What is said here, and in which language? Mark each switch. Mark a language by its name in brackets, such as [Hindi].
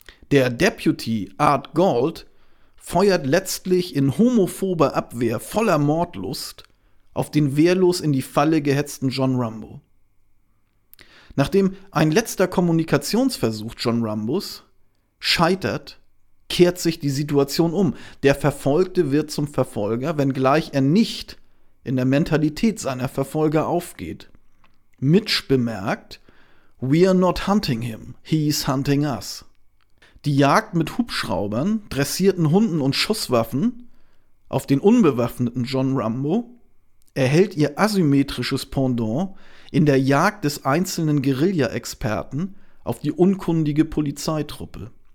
[German] Der Deputy Art Gold feuert letztlich in homophober Abwehr voller Mordlust auf den wehrlos in die Falle gehetzten John Rambo. Nachdem ein letzter Kommunikationsversuch John Rambos scheitert, kehrt sich die Situation um. Der Verfolgte wird zum Verfolger, wenngleich er nicht in der Mentalität seiner Verfolger aufgeht. [English] Mitch [German] bemerkt: [English] We are not hunting him, he is hunting us. [German] Die Jagd mit Hubschraubern, dressierten Hunden und Schusswaffen auf den unbewaffneten John Rambo erhält ihr asymmetrisches Pendant in der Jagd des einzelnen Guerilla-Experten auf die unkundige Polizeitruppe.